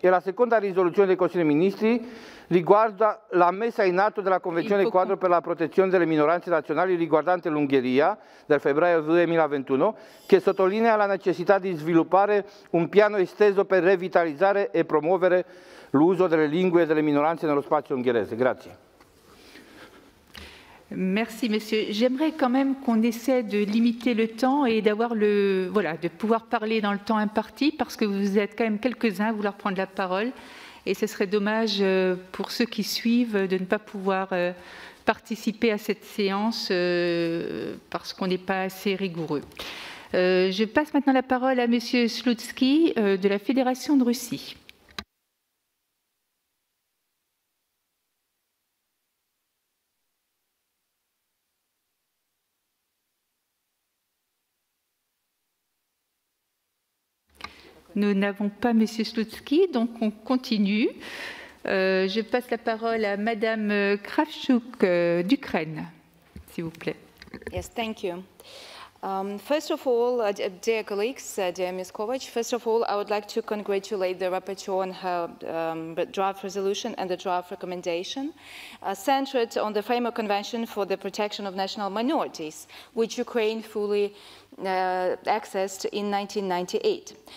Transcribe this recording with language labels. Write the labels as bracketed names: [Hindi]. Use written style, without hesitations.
[Italian] E la seconda risoluzione del Consiglio dei Ministri riguarda la messa in atto della Convenzione Quadro per la protezione delle minoranze nazionali riguardante l'Ungheria del febbraio 2021, che sottolinea la necessità di sviluppare un piano esteso per revitalizzare e promuovere l'uso delle lingue delle minoranze nello spazio ungherese. Grazie. [French] Merci, monsieur. J'aimerais quand même qu'on essaie de limiter le temps et d'avoir le, voilà, de pouvoir parler dans le temps imparti, parce que vous êtes quand même quelques-uns à vouloir prendre la parole. Et ce serait dommage pour ceux qui suivent de ne pas pouvoir participer à cette séance parce qu'on n'est pas assez rigoureux. Je passe maintenant la parole à monsieur Slutsky de la Fédération de Russie. Nous n'avons pas Monsieur Slutsky, donc on continue. Je passe la parole à Madame Kravchuk d'Ukraine, s'il vous plaît. [English] Yes, thank you. First of all, dear colleagues, dear Ms. Kovac, first of all, I would like to congratulate the rapporteur on her draft resolution and the draft recommendation centered on the Framework Convention for the Protection of National Minorities, which Ukraine fully accessed in 1998.